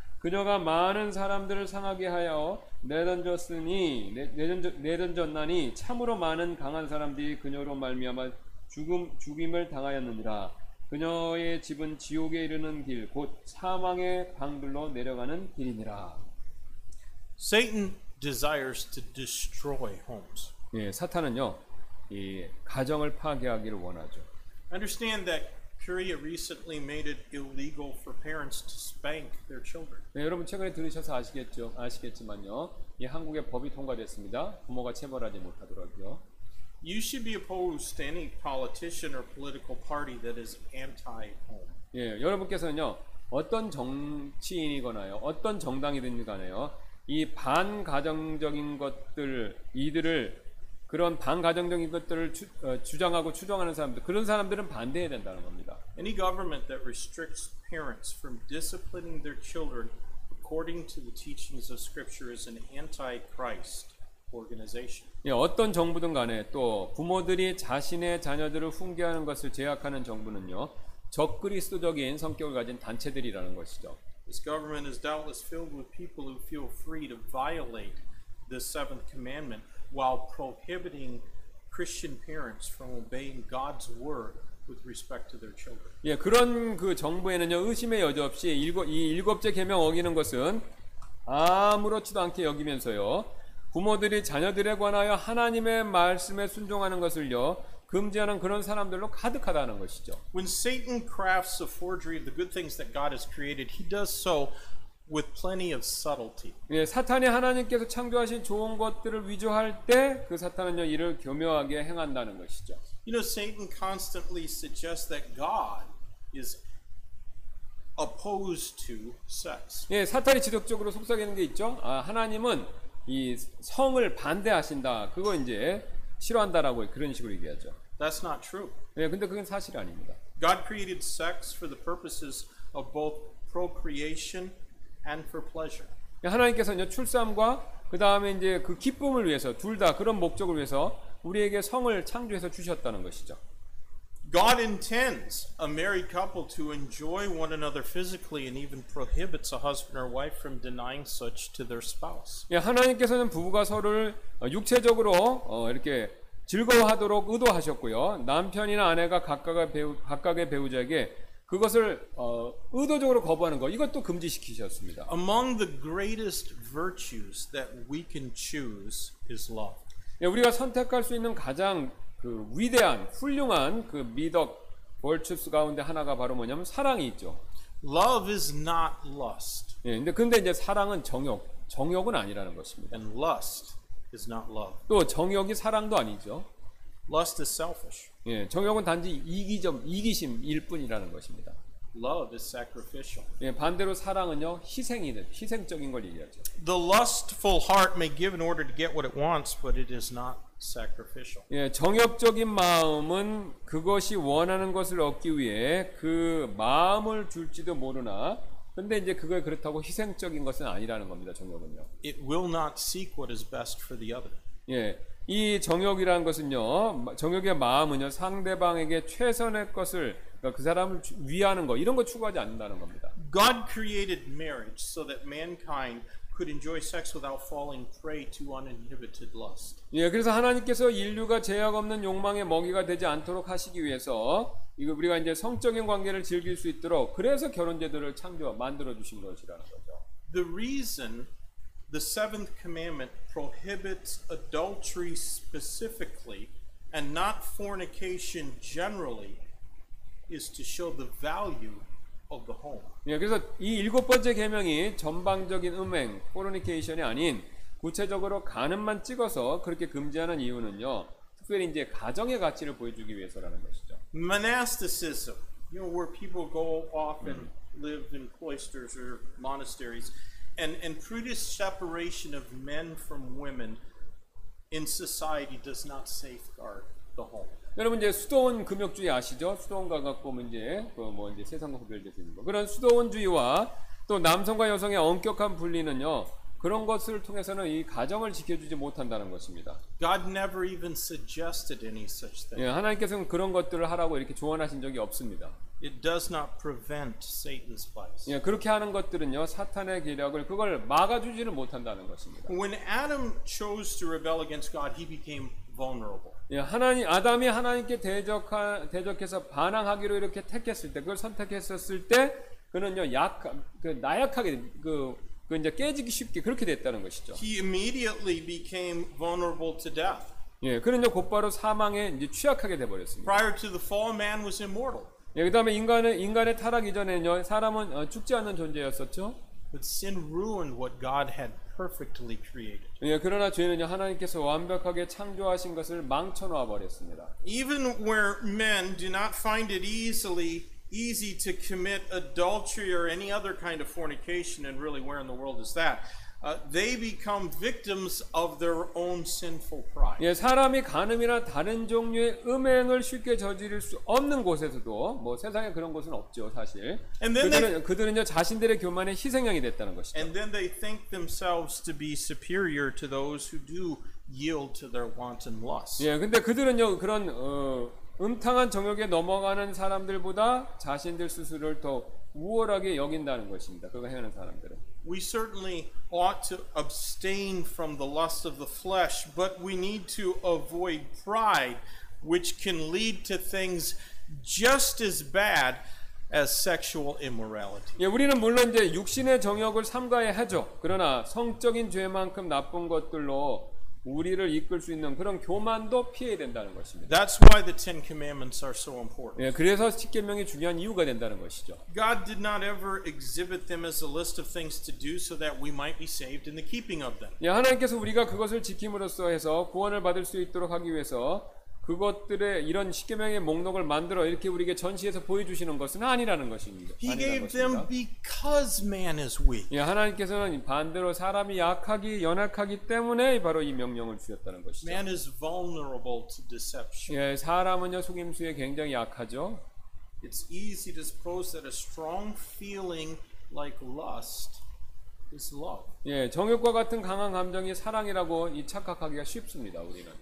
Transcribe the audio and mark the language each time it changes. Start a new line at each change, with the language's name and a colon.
Korean: 그녀가 많은 사람들을 상하게 하여 내던졌나니 참으로 많은 강한 사람들이 그녀로 말미암아 죽임을 당하였느니라. 그녀의 집은 지옥에 이르는 길, 곧 사망의 방들로 내려가는 길이니라.
English: Satan desires to destroy homes.
Korean: 예, 사탄은요, 이 가정을 파괴하기를 원하죠.
English: Understand that Korea recently made it illegal for parents to spank their children.
Korean: 네, 여러분 최근에 들으셔서 아시겠지만요, 이 한국에 법이 통과됐습니다. 부모가 체벌하지 못하더라고요.
English: You should be opposed to any politician or political party that is anti-home.
Korean: 예, 여러분께서는요, 어떤 정치인이거나요, 어떤 정당이든지간에요, 이 반가정적인 것들, 이들을 그런 반가정적인 것들을 주장하고 추정하는 사람들, 그런 사람들은 반대해야 된다는 겁니다.
English: Any government that restricts parents from disciplining their children according to the teachings of Scripture is an anti-Christ organization.
Korean: 예, 어떤 정부든 간에 또 부모들이 자신의 자녀들을 훈계하는 것을 제약하는 정부는요, 적그리스도적인 성격을 가진 단체들이라는 것이죠.
English: This government is doubtless filled with people who feel free to violate the seventh commandment while prohibiting Christian parents from obeying God's word with respect to their children.
Korean: 예, 그런 그 정부에는요, 의심의 여지 없이 이 일곱째 계명 어기는 것은 아무렇지도 않게 여기면서요. 부모들이 자녀들에 관하여 하나님의 말씀에 순종하는 것을요. 금지하는 그런 사람들로 가득하다는 것이죠.
English: When Satan crafts a forgery of the good things that God has created, he does so with plenty of subtlety.
Korean: 예, 사탄이 하나님께서 창조하신 좋은 것들을 위조할 때 그 사탄은요 이를 교묘하게 행한다는 것이죠.
English: You know, Satan constantly suggests that God is opposed to sex.
Korean: 예, 사탄이 지속적으로 속삭이는 게 있죠. 아, 하나님은 이 성을 반대하신다. 그거 이제 싫어한다라고 그런 식으로 얘기하죠.
English: That's not true.
Korean: 예, 근데 그건 사실 아닙니다.
English: God created sex for the purposes of both procreation and for pleasure.
Korean: 예, 하나님께서는요 출산과 그 다음에 이제 그 기쁨을 위해서 둘 다 그런 목적을 위해서 우리에게 성을 창조해서 주셨다는 것이죠.
English: God intends a married couple to enjoy one another physically and even prohibits a husband or wife from denying such to their spouse.
Korean: 예, 하나님께서는 부부가 서로를 육체적으로 이렇게 즐거워하도록 의도하셨고요. 남편이나 아내가 각각의 배우자에게 그것을 의도적으로 거부하는 것, 이것도 금지시키셨습니다.
English: Among the greatest virtues that we can choose is love.
Korean: 예, 우리가 선택할 수 있는 가장 그 위대한 훌륭한 그 미덕 벌츠스 가운데 하나가 바로 뭐냐면 사랑이 있죠.
English: Love is not lust.
Korean: 예, 근데 이제 사랑은 정욕, 정욕은 아니라는 것입니다.
English: And lust is not love.
Korean: 또 정욕이 사랑도 아니죠.
English: Lust is selfish.
Korean: 예, 정욕은 단지 이기심일 뿐이라는 것입니다.
English: Love is sacrificial.
Korean: 예, 반대로 사랑은요 희생적인 걸 얘기하죠.
English: The lustful heart may give in order to get what it wants, but it is not sacrificial.
Korean: 예, 정욕적인 마음은 그것이 원하는 것을 얻기 위해 그 마음을 줄지도 모르나, 근데 이제 그걸 그렇다고 희생적인 것은 아니라는 겁니다. 정욕은요.
English: It will not seek what is best for the other.
Korean: 예, 이 정욕이라는 것은요, 정욕의 마음은요 상대방에게 최선의 것을 그 사람을 위하는 거 이런 거 추구하지 않는다는 겁니다.
English: God created marriage so that mankind could enjoy sex without falling prey to uninhibited lust.
Korean: 예, 그래서 하나님께서 인류가 제약 없는 욕망의 먹이가 되지 않도록 하시기 위해서 이거 우리가 이제 성적인 관계를 즐길 수 있도록 그래서 결혼 제도를 창조 만들어 주신 것이라는 거죠.
English: The reason the seventh commandment prohibits adultery specifically and not fornication generally is to show the value of the home.
Korean: 예, 그래서 이 일곱 번째 계명이 전방적인 음행, 포르니케이션이 아닌 구체적으로 가늠만 찍어서 그렇게 금지하는 이유는요, 특별히 이제 가정의 가치를 보여주기 위해서라는 것이죠.
English: Monasticism, you know, where people go off and live in cloisters or monasteries, and prudish separation of men from women in society does not safeguard the home.
Korean: 여러분 이제 수도원 금욕주의 아시죠? 수도원과 갖고 문제, 뭐 이제 세상과 구별될 수 있는 거. 그런 수도원주의와 또 남성과 여성의 엄격한 분리는요, 그런 것을 통해서는 이 가정을 지켜주지 못한다는 것입니다.
English: God never even suggested any such thing.
Korean: 예, 하나님께서는 그런 것들을 하라고 이렇게 조언하신 적이 없습니다.
English: It does not prevent Satan's vice.
Korean: 예, 그렇게 하는 것들은요, 사탄의 계략을 그걸 막아주지는 못한다는 것입니다.
English: When Adam chose to rebel against God, he became vulnerable.
Korean: 예, 하나님 아담이 하나님께 대적해서 반항하기로 이렇게 택했을 때, 그걸 선택했었을 때, 그는요 나약하게 그 이제 깨지기 쉽게 그렇게 됐다는 것이죠.
English: He immediately became vulnerable to death.
Korean: 예, 그는요 곧바로 사망에 이제 취약하게 돼 버렸습니다.
English: Prior to the fall, man was immortal.
Korean: 예, 그다음에 인간의 타락 이전에는요 사람은 죽지 않는 존재였었죠.
English: But sin ruined what God had perfectly created.
Korean: 예, 그러나 죄는요 하나님께서 완벽하게 창조하신 것을 망쳐놓아 버렸습니다.
English: Even where men do not find it easy to commit adultery or any other kind of fornication, and really, where in the world is that? They become victims of their own sinful pride.
Korean: 예, 사람이 간음이나 다른 종류의 음행을 쉽게 저지를 수 없는 곳에서도 뭐 세상에 그런 곳은 없죠, 사실.
English: And then
Korean: 그들은요 자신들의 교만의 희생양이 됐다는 것이죠.
English: And then they think themselves to be superior to those who do yield to their wanton lust.
Korean: 예, 근데 그들은요 그런 음탕한 정욕에 넘어가는 사람들보다 자신들 스스로를 더 우월하게 여긴다는 것입니다. 그거 행하는 사람들은.
English: We certainly ought to abstain from the lust of the flesh, but we need to avoid pride, which can lead to things just as bad as sexual immorality.
Korean: 예, 우리는 물론 이제 육신의 정욕을 삼가야 하죠. 그러나 성적인 죄만큼 나쁜 것들로 우리를 이끌 수 있는 그런 교만도 피해야 된다는 것입니다.
English: That's why the Ten Commandments are so important.
Korean: 예, 그래서 십계명이 중요한 이유가 된다는 것이죠.
English: God did not ever exhibit them as a list of things to do so that we might be saved in the keeping of them.
Korean: 예, 하나님께서 우리가 그것을 지킴으로써 해서 구원을 받을 수 있도록 하기 위해서 그것들의 이런 십계명의 목록을 만들어 이렇게 우리에게 전시해서 보여주시는 것은 아니라는 것입니다.
English: He gave them because man is weak.
Korean: 예, 하나님께서는 반대로 사람이 약하기 연약하기 때문에 바로 이 명령을 주셨다는 것이죠.
English: Man is vulnerable to deception.
Korean: 예, 사람은요 속임수에 굉장히 약하죠.
English: It's easy to suppose that a strong feeling like lust is love.
Korean: 예, 정욕과 같은 강한 감정이 사랑이라고 이 착각하기가 쉽습니다, 우리는.